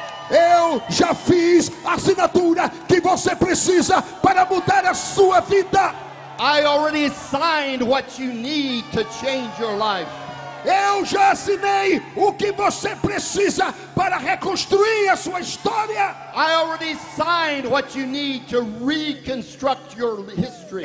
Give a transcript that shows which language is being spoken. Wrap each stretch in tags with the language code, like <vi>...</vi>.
<pt>Eu já fiz a assinatura que você precisa para mudar a sua vida.</pt> <en>I already signed what you need to change your life.</en> <pt>Eu já assinei o que você precisa para reconstruir a sua história.</pt> <en>I already signed what you need to reconstruct your history.</en>